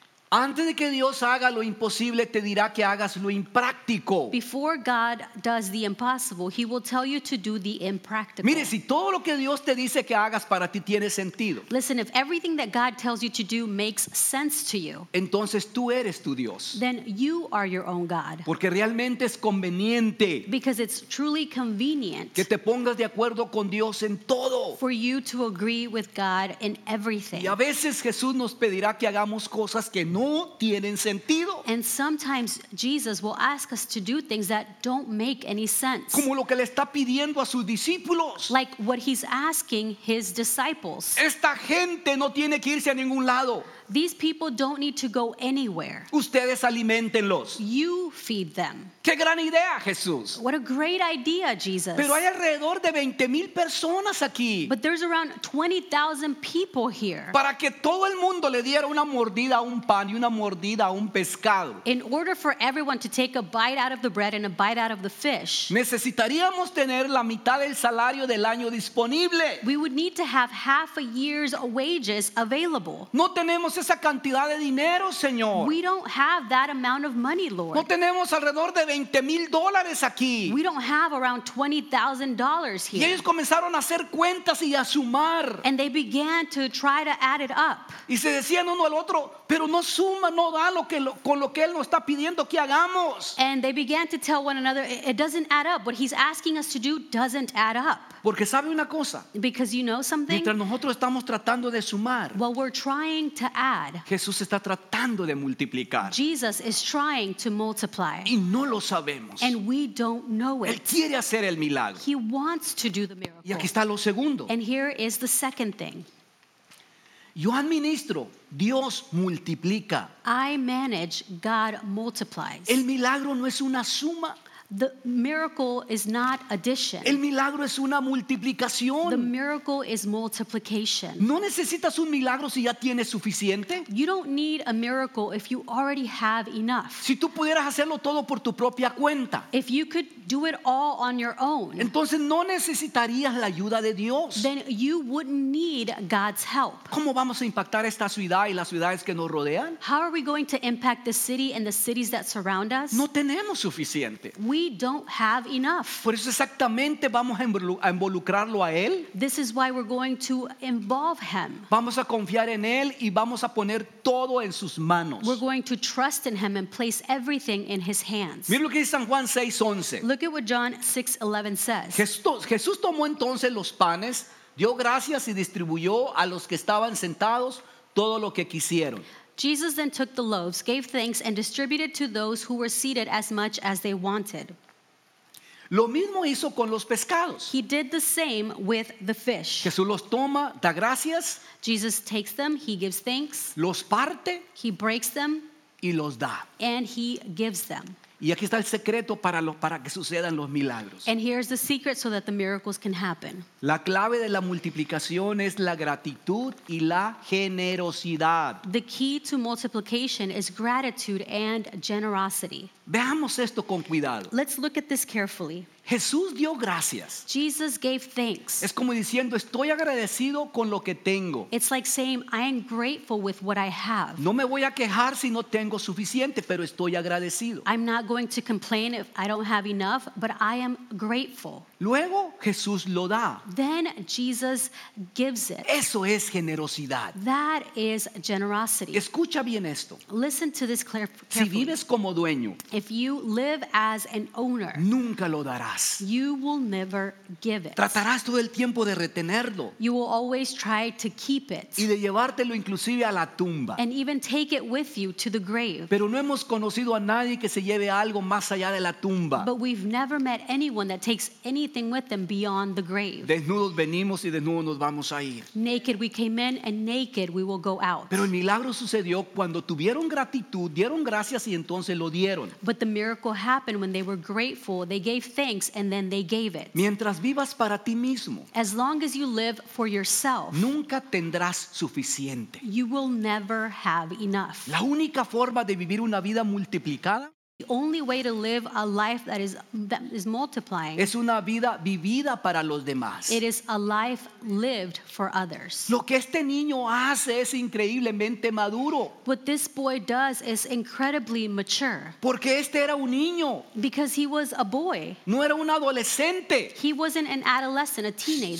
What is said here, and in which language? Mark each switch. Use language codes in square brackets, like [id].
[es] Antes de que Dios haga lo imposible, te dirá que hagas lo impráctico. [en] Before God does the impossible, he will tell you to do the impractical. [es] Mire, si todo lo que Dios te dice que hagas para ti tiene sentido. [en] Listen, if everything that God tells you to do makes sense to you. [es] Entonces tú eres tu Dios. [en] Then you are your own God. [es] Porque realmente es conveniente. [en] Because it's truly convenient. [es] Que te pongas de acuerdo con Dios en todo. [en] For you to agree with God in everything. [es] Y a veces Jesús nos pedirá que hagamos cosas que no tienen sentido. [en] And sometimes Jesus will ask us to do things that don't make any sense. [es] Como lo que le está pidiendo a sus discípulos. [en] Like what he's asking his disciples. [es] Esta gente no tiene que irse a ningún lado. [en] These people don't need to go anywhere. [es] Ustedes alimentenlos. [en] You feed them. [es] Qué gran idea, Jesús. [en] What a great idea, Jesus. [es] Pero hay alrededor de 20,000 personas aquí. [en] But there's around 20,000 people here. [es] Para que todo el mundo le diera una mordida a un pan y una mordida a un pescado. [en] In order for everyone to take a bite out of the bread and a bite out of the fish. [es] Necesitaríamos tener la mitad del salario del año disponible. [en] We would need to have half a year's wages available. [es] No tenemos esa cantidad de dinero, Señor. [en] We don't have that amount of money, Lord. [es] No tenemos alrededor de $20,000 aquí. [en] We don't have around $20,000 here. [es] Y ellos comenzaron a hacer cuentas y a sumar. [en] And they began to try to add it up. [es] Y se decían uno al otro, pero no suma, no da con lo que él nos está pidiendo que hagamos. [en] And they began to tell one another, it doesn't add up. What he's asking us to do doesn't add up. [es] Porque sabe una cosa. [en] Because you know something. [es] Mientras nosotros estamos tratando de sumar. [en] While we're trying to add. [es] Jesús está tratando de multiplicar. [en] Jesus is trying to multiply. [es] Y no lo sabemos. [en] And we don't know it. [es] Él quiere hacer el milagro. [en] He wants to do the miracle. [es] Y aquí está lo segundo. [en] And here is the second thing. [es] Yo administro, Dios multiplica. [en] I manage, God multiplies. [es] El milagro no es una suma. [en] The miracle is not addition. [es] El milagro es una multiplicación. [en] The miracle is multiplication. [es] No necesitas un milagro si ya tienes suficiente. [en] You don't need a miracle if you already have enough. [es] Si tú pudieras hacerlo todo por tu propia cuenta. [en] If you could do it all on your own. [es] Entonces no necesitarías la ayuda de Dios. [en] Then you wouldn't need God's help. [es] ¿Cómo vamos a impactar esta ciudad y las ciudades que nos rodean? [en] How are we going to impact the city and the cities that surround us? [es] No tenemos suficiente. [en] We don't have enough. [es] Por eso exactamente vamos a involucrarlo a él. [en] This is why we're going to involve him. [es] Vamos a confiar en él y vamos a poner todo en sus manos. [en] We're going to trust in him and place everything in his hands. [es] Mira lo que dice San Juan 6:11. [en] Look at what John 6:11 says. [es] Jesús tomó entonces los panes, dio gracias y distribuyó a los que estaban sentados todo lo que quisieron. [en] Jesus then took the loaves, gave thanks, and distributed to those who were seated as much as they wanted. [es] Lo mismo hizo con los pescados. [en] He did the same with the fish. [es] Jesús los toma, da gracias. [en] Jesus takes them, he gives thanks. [es] Los parte. [en] He breaks them. [es] Y los da. [en] And he gives them. [es] Y aquí está el secreto para, lo, para que sucedan los milagros. [en] And here's the secret so that the miracles can happen. [es] La clave de la multiplicación es la gratitud y la generosidad. [en] The key to multiplication is gratitude and generosity. [es] Veamos esto con cuidado. [en] Let's look at this carefully. [es] Jesús dio gracias. [en] Jesus gave thanks. [es] Es como diciendo, estoy agradecido con lo que tengo. [en] It's like saying, I am grateful with what I have. [es] No me voy a quejar si no tengo suficiente, pero estoy agradecido. [en] I'm not going to complain if I don't have enough, but I am grateful. [es] Luego Jesús lo da. [en] Then Jesus gives it. [es] Eso es generosidad. [en] That is generosity. [es] Escucha bien esto. [en] Listen to this carefully. [es] Si vives como dueño, [en] if you live as an owner, [es] nunca lo darás. [en] You will never give it. [es] Tratarás todo el tiempo de retenerlo. [en] You will always try to keep it. [es] Y de llevártelo inclusive a la tumba. [en] And even take it with you to the grave. [es] Pero no hemos conocido a nadie que se lleve algo más allá de la tumba. [en] But we've never met anyone that takes anything with them beyond the grave. [es] Desnudos venimos y desnudos nos vamos a ir. [en] Naked we came in and naked we will go out. [es] Pero el milagro sucedió cuando tuvieron gratitud, dieron gracias y entonces lo dieron. [en] But the miracle happened when they were grateful, they gave thanks and then they gave it. [es] Mientras vivas para ti mismo, [en] as long as you live for yourself, [es] nunca tendrás suficiente. [en] You will never have enough. [es] La única forma de vivir una vida multiplicada, [en] the only way to live a life that is multiplying, [es] es una vida vivida para los demás. [en] It is a life lived for others. [es] Lo que este niño hace es increíblemente maduro. [en] What this boy does is incredibly mature. [es] Porque este era un niño. [en] Because he was a boy. [es] No era un adolescente. [en] He wasn't an adolescent, a teenager.